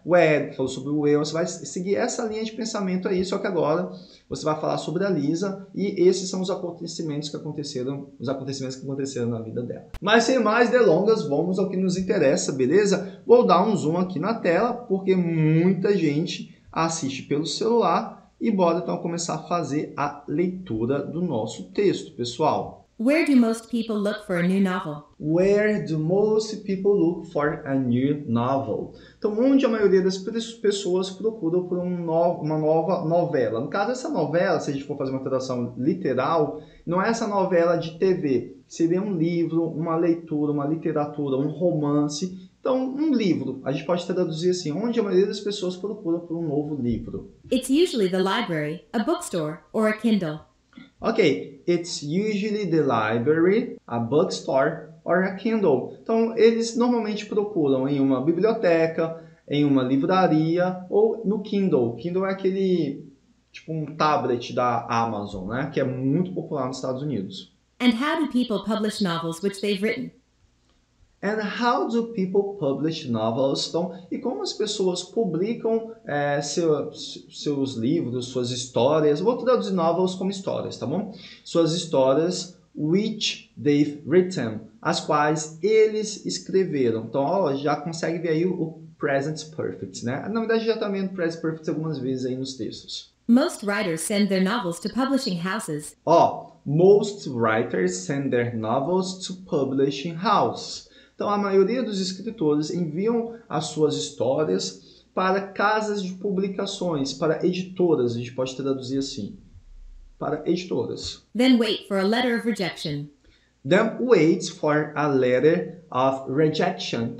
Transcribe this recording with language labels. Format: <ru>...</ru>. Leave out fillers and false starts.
<pt>O Eric falou sobre o Will, você vai seguir essa linha de pensamento aí, só que agora você vai falar sobre a Lisa e esses são os acontecimentos que aconteceram na vida dela. Mas sem mais delongas, vamos ao que nos interessa, beleza? Vou dar um zoom aqui na tela, porque muita gente assiste pelo celular. E bora então começar a fazer a leitura do nosso texto, pessoal.</pt> <en>Where do most people look for a new novel? Where do most people look for a new novel?</en> <pt>Então, onde a maioria das pessoas procuram por uma nova novela? No caso, essa novela, se a gente for fazer uma tradução literal, não é essa novela de TV. Seria um livro, uma leitura, uma literatura, um romance. Então, um livro. A gente pode traduzir assim, onde a maioria das pessoas procura por um novo livro?</pt> <en>It's usually the library, a bookstore, or a Kindle. Ok, it's usually the library, a bookstore, or a Kindle.</en> <pt>Então, eles normalmente procuram em uma biblioteca, em uma livraria ou no Kindle. Kindle é aquele, tipo, um tablet da Amazon, né? Que é muito popular nos Estados Unidos.</pt> <en>And how do people publish novels which they've written? And how do people publish novels?</en> <pt>Então, e como as pessoas publicam seus livros, suas histórias? Vou traduzir novels como histórias, tá bom? Suas histórias,</pt> <en>which they've written,</en> <pt>as quais eles escreveram. Então, ó, já consegue ver aí o present perfect, né? Na verdade, já tá vendo o present perfect algumas vezes aí nos textos.</pt> <en>Most writers send their novels to publishing houses. Ó, most writers send their novels to publishing houses.</en> <pt>Então, a maioria dos escritores enviam as suas histórias para casas de publicações, para editoras, a gente pode traduzir assim, para editoras.</pt> <en>Then wait for a letter of rejection. Then wait for a letter of rejection.</en>